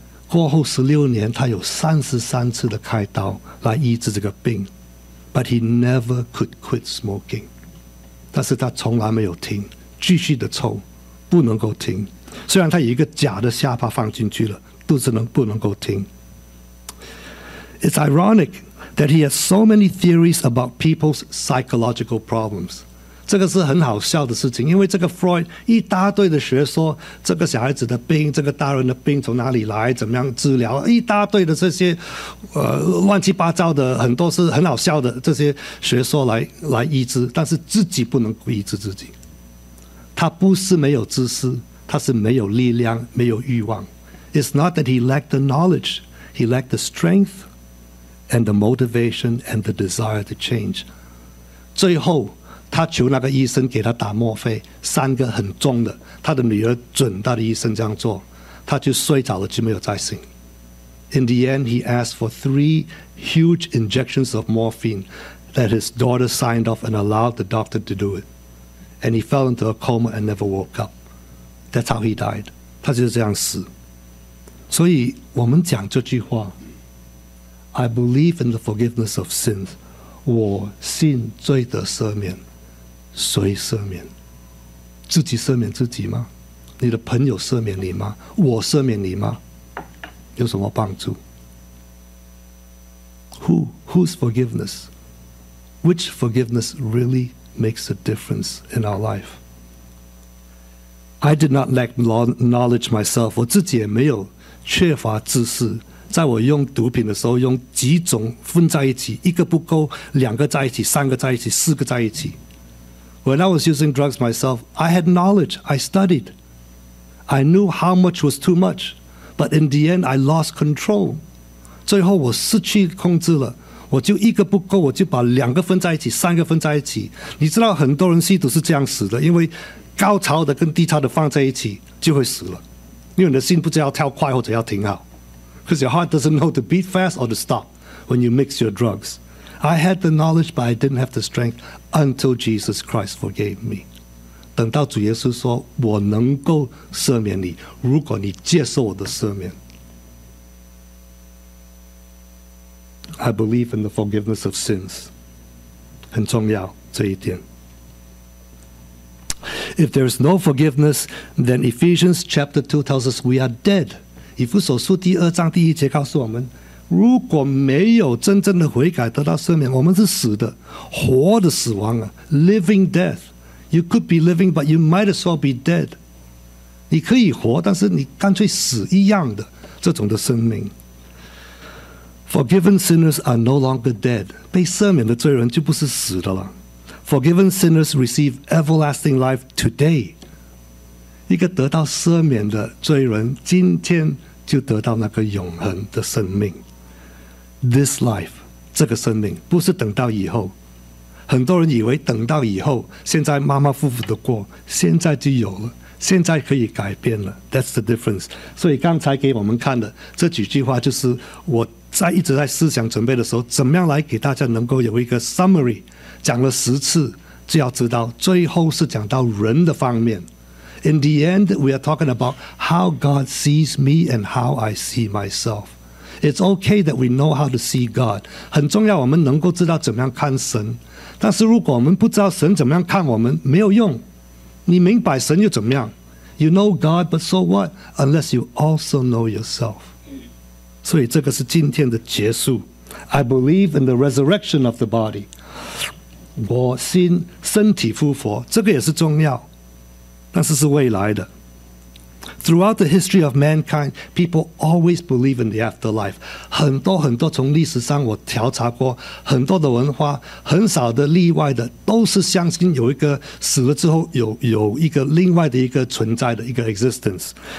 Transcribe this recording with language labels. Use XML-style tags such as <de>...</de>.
<zh>过后16年他有33次的开刀来医治这个病。</zh> <en>But he never could quit smoking.</en> <zh>但是他从来没有停，继续的抽，不能够停。虽然他有一个假的下巴放进去了，肚子不能够停。</zh> <en>It's ironic that he has so many theories about people's psychological problems.</en> <zh>这个是很好笑的事情，因为这个 Freud 一大堆的学说，这个小孩子的病，这个大人的病从哪里来，怎么样治疗，一大堆的这些乱七八糟的，很多是很好笑的这些学说 来医治，但是自己不能医治自己。他不是没有知识，他是没有力量，没有欲望。</zh> <en>It's not that he lacked the knowledge, he lacked the strength and the motivation and the desire to change.</en> <zh>最后他求那个医生给他打吗啡，三个很重的，他的女儿准他的医生这样做，他就睡着了，就没有再醒。</zh> <en>In the end he asked for 3 huge injections of morphine that his daughter signed off and allowed the doctor to do itAnd he fell into a coma and never woke up. That's how he died.</en> <zh>他就是这样死。所以我们讲这句话，</zh> <en>I believe in the forgiveness of sins.</en> <zh>我信罪得赦免。谁赦免？自己赦免自己吗？你的朋友赦免你吗？我赦免你吗？有什么帮助？</zh> <en>Whose forgiveness? Which forgiveness really makes a difference in our life? I did not lack knowledge myself.</en> <zh>我自己也没有缺乏知识。在我用毒品的时候，用几种分在一起，一个不够，两个在一起，三个在一起，四个在一起。</zh> <en>When I was using drugs myself, I had knowledge. I studied. I knew how much was too much. But in the end, I lost control.</en> <zh>最后我失去控制了，我就一个不够，我就把两个分在一起，三个分在一起。你知道很多人吸毒是这样死的，因为高潮的跟低潮的放在一起就会死了，因为你的心不知道要跳快或者要停好。</zh> <en>Because your heart doesn't know to beat fast or to stop when you mix your drugs. I had the knowledge, but I didn't have the strength until Jesus Christ forgave me.</en> <zh>等到主耶稣说，我能够赦免你，如果你接受我的赦免。</zh> <en>I believe in the forgiveness of sins.</en> <zh>很重要，这一点。</zh> <en>If there is no forgiveness, then Ephesians chapter 2 tells us we are dead.</en> <zh>以弗所书第二章第一节告诉我们，如果没有真正的悔改得到赦免，我们是死的，活的死亡啊，</zh> <en>living death. You could be living, but you might as well be dead.</en> <zh>你可以活，但是你干脆死一样的这种的生命。</zh> <en>Forgiven sinners are no longer dead.</en> <zh>被赦免的罪人就不是死的了。</zh> <en>Forgiven sinners receive everlasting life today.</en> <zh>一个得到赦免的罪人今天就得到那个永恒的生命。 This life, 这个生命不是等到以后。很多人以为等到以后，现在马马虎虎的过，现在就有了，现在可以改变了。</zh> <en>That's the difference.</en> <zh>所以刚才给我们看的这几句话，就是我在一直在思想准备的时候，怎么样来给大家能够有一个 summary。讲了十次，就要知道最后是讲到人的方面。</zh> <en>In the end, we are talking about how God sees me and how I see myself. It's okay that we know how to see God.</en> <zh>很重要，我们能够知道怎么样看神。但是如果我们不知道神怎么样看我们，没有用。你明白神又怎么样？</zh> <en>You know God, but so what? Unless you also know yourself.</en> <zh>所以这个是今天的结束。</zh> <en>I believe in the resurrection of the body.</en> <zh>我信身体复活，这个也是重要，但是是未来的。</zh> <en>Throughout the history of mankind, people always believe in the afterlife.</en> <zh>很多很多从历史上我调查过，很多的文化，很少的例外的，都是相信有一个死了之后 有一个另外的一个存在的一个 existence。</zh>